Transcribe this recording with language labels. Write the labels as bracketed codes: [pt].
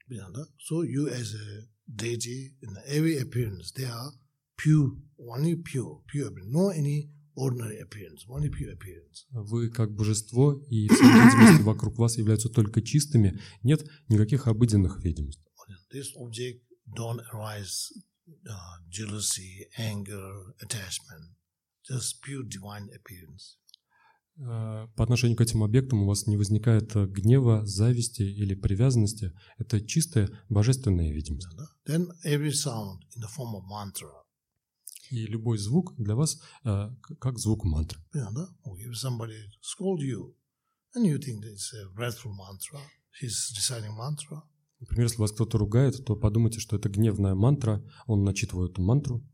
[en] Yeah, [ru] да? [en] So you as a deity in every appearance, they are pure, only pure appearance, no any ordinary appearance, only pure appearance. [ru] Вы как божество, и все видимости вокруг вас являются только чистыми, нет никаких обыденных видимостей. [en] This object don't arise jealousy, anger, attachment, just pure divine appearance. [ru] По отношению к этим объектам у вас не возникает гнева, зависти или привязанности, это чистая божественная видимость. Yeah, yeah. [en] Then every sound in the form of mantra. [ru] И любой звук для вас как звук мантры. Yeah, да? Okay. [en] If somebody scolds you, and you think it's a wrathful mantra, he's reciting mantra. [ru] Например, если вас кто-то ругает, то подумайте, что это гневная мантра, он начитывает эту мантру.